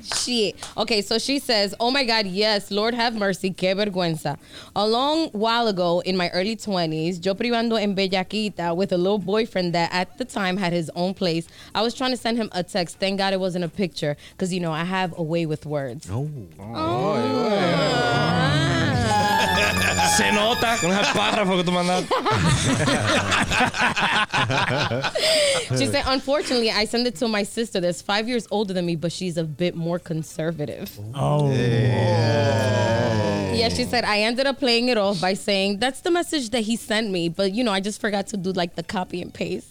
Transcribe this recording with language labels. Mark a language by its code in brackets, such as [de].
[en] Shit. Okay, so she says, "Oh my God, yes, Lord have mercy, [es] qué vergüenza. [en] A long while ago, in my early 20s, [es] yo privando en Bellaquita [en] with a little boyfriend that at the time had his own place, I was trying to send him a text. Thank God it wasn't a picture, because, you know, I have a way with words." [es] Se nota con ese párrafo que tú mandaste. [en] She said, "Unfortunately, I send it to my sister that's 5 years older than me, but she's a bit more conservative." Oh. Yeah, she said, "I ended up playing it off by saying, that's the message that he sent me, but, you know, I just forgot to do, like, the copy and paste."